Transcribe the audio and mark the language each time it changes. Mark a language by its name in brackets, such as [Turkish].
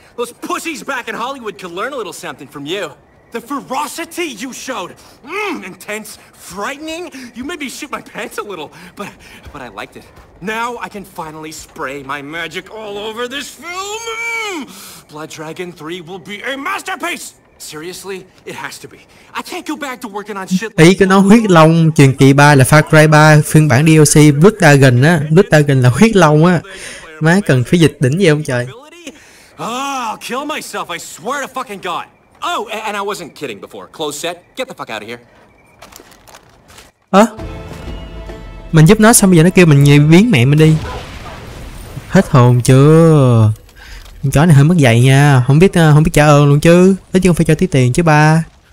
[English] Those pussies back in Hollywood could learn a little something from you. The ferocity you showed, intense, frightening. You made me shoot my pants a little, but I liked it. Now I can finally spray my magic all over this film. Blood Dragon 3 will be a masterpiece. Seriously, it has to be. I can't go back to working on shit. [Vietnamese] Ý cái nó huyết long truyền kỳ 3 là Far Cry 3 phiên bản DLC Blood Dragon á. Blood Dragon là huyết long á. Má cần phải dịch đỉnh gì không trời. [English] Oh, I'll kill myself, I swear to fucking God. Oh, and I wasn't kidding before. Close set. Get the fuck out of here. Hả? [Vietnamese] Mình giúp nó xong bây giờ nó kêu mình biến mẹ mình đi. Hết hồn chưa? Con chó này hơi mất dạy nha, không biết trả ơn luôn chứ. Nói chứ không phải cho tí tiền chứ ba.